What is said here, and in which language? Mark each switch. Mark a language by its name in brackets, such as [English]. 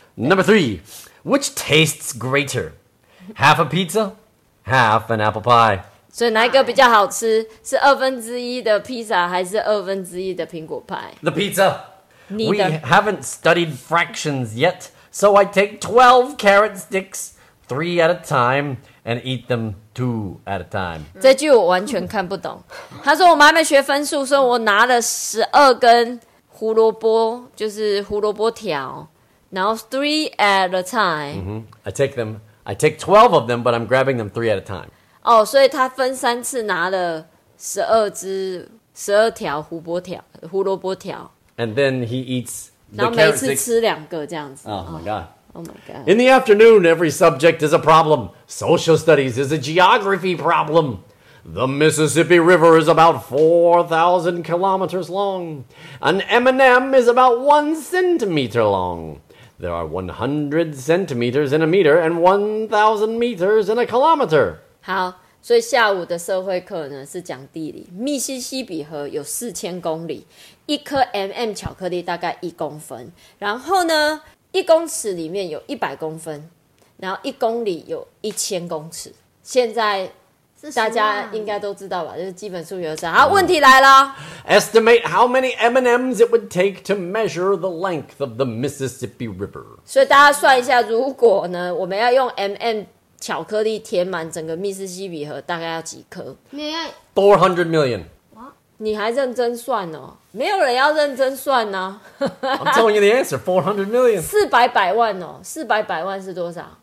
[English] Number three. Which tastes greater? Half a pizza half an apple pie. [Chinese] 所以哪一个比较好吃？是二分之一的披萨还是二分之一的苹果派 [English] ？The pizza. We haven't studied fractions yet, so I take 12 carrot sticks, 3 at a time, and eat them 2 at a time. [Chinese] 这句我完全看不懂。他说我们还没学分数，所以我拿了12根胡萝卜，就是胡萝卜条，然后 [English] 3 at a time.、 Mm-hmm. I take them. I take 12 of them, but I'm grabbing them 3 at a time. [Chinese] 哦，所以他分三次拿了12条胡萝卜条。 [English] And then he eats the carrot sticks. [Chinese] 然后每次吃两个这样子。 [English] Oh my god. In the afternoon, every subject is a problem. Social studies is a geography problem. The Mississippi River is about 4,000 kilometers long. An M&M is about 1 centimeter long. There are 100 centimeters in a meter and 1,000 meters in a kilometer. [Chinese] 好，所以下午的社会课呢是讲地理。密西西比河有4000公里，一颗 MM 巧克力大概1公分。然后呢，1公尺里面有100公分，然后1公里有1000公尺。现在大家应该都知道吧？就是基本数学上。好，问题来了。 [English] Estimate how many M&Ms it would take to measure the length of the Mississippi River. [Chinese] 所以大家算一下，如果呢我们要用 MM。巧克力填满整个密斯西比河大概要几颗 [English] 400 million [Chinese] 你还认真算哦没有人要认真算哦 [English] I'm telling you the answer 400 million [Chinese] 400百万哦400百万是多少